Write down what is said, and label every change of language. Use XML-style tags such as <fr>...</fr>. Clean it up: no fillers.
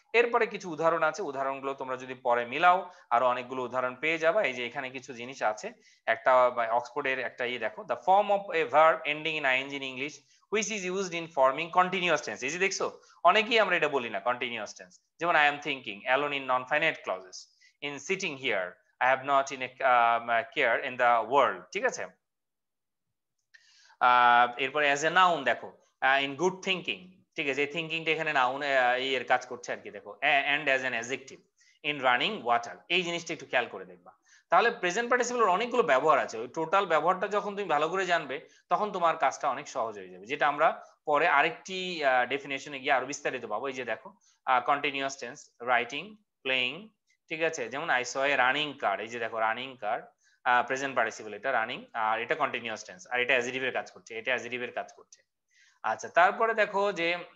<bn>এরপরে কিছু উদাহরণ আছে, উদাহরণগুলো তোমরা যদি পরে মিলাও আরো অনেকগুলো উদাহরণ পেয়ে যাবে। এই যে এখানে কিছু জিনিস আছে, একটা অক্সফোর্ডের একটা ইয়ে দেখো,</bn> <en>The form of a verb ending in ING in English which is used in forming continuous tense.</en> <bn>এই যে দেখছো, অনেকেই আমরা এটা বলি না continuous tense.</bn> <en>যেমন I am thinking alone in non-finite clauses. In sitting here, I have not in a care in the world.</en> <bn>ঠিক আছে?</bn> <en>এরপরে as a noun দেখো, in good thinking.</en> <bn>ঠিক আছে, thinkingটা এখানে noun এর কাজ করছে আর কি, দেখো.</bn> <en>And as an adjective, in running water.</en> <bn>এই জিনিসটা একটু খেয়াল করে দেখবা। তাহলে প্রেজেন্ট পার্টিসিপলের অনেকগুলো ব্যবহার আছে, ওই টোটাল ব্যবহারটা যখন তুমি ভালো করে জানবে তখন তোমার কাজটা অনেক সহজ হয়ে যাবে, যেটা আমরা পরে আরেকটি ডেফিনেশনে গিয়ে আরো বিস্তারিত পাবো। এই যে দেখো কন্টিনিউয়াস টেন্স, রাইটিং, প্লেইং, ঠিক আছে, যেমন</bn> <en>I saw a running car,</en> <bn>এই যে দেখো রানিং কার প্রেজেন্ট পার্টিসিপল, এটা রানিং, আর এটা কন্টিনিউয়াস টেন্স, আর এটা অ্যাজিটিভ এর কাজ করছে, এটা অ্যাজিটিভ এর কাজ করছে। আচ্ছা, তারপরে দেখো যে</bn>